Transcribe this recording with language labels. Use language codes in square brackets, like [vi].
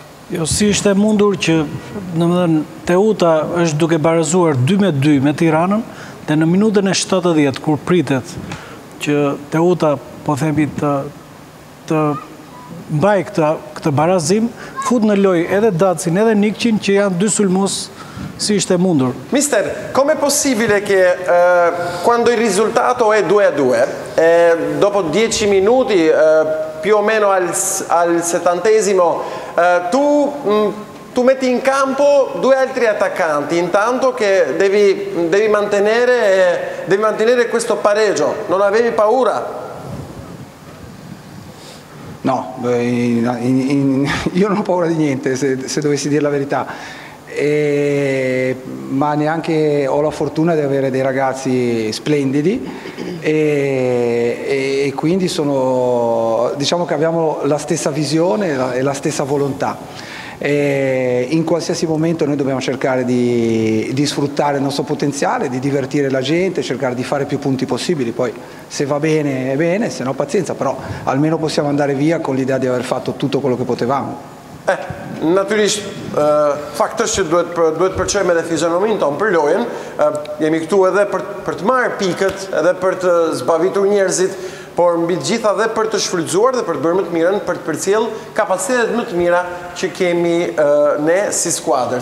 [sq] Jo, si është e mundur që, në më dhënë, Teuta është duke barazuar 2-2 me Tiranën, dhe në minutën e 70, kur pritet që Teuta, po themi, të mbaj këtë barazim, fut në loj edhe Dacin, edhe Nikqin, që janë dy sulmues si ishte mundur. [it] Mister, com'è possibile che quando il risultato è 2-2 dopo 10 minuti più o meno al settantesimo tu metti in campo due altri attaccanti, intanto che devi mantenere questo pareggio, non avevi paura? No, io non ho paura di niente, se dovessi dire la verità, ma neanche ho la fortuna di avere dei ragazzi splendidi e quindi sono, diciamo che abbiamo la stessa visione e la stessa volontà. E in qualsiasi momento noi dobbiamo cercare di sfruttare il nostro potenziale, di divertire la gente, cercare di fare più punti possibili, poi se va bene è bene, se no pazienza, però almeno possiamo andare via con l'idea di aver fatto tutto quello che potevamo. [sq] Natürlich faktë që duhet përqejmë edhe fizionomin tonë për lojen, jemi këtu edhe për të marrë pikët, edhe për të zbavitur njerëzit, por mbi të gjitha edhe për të shfrytzuar dhe për të bërë më të mirën, për të përcjell kapacitetet më të mira që kemi ne si skuadër.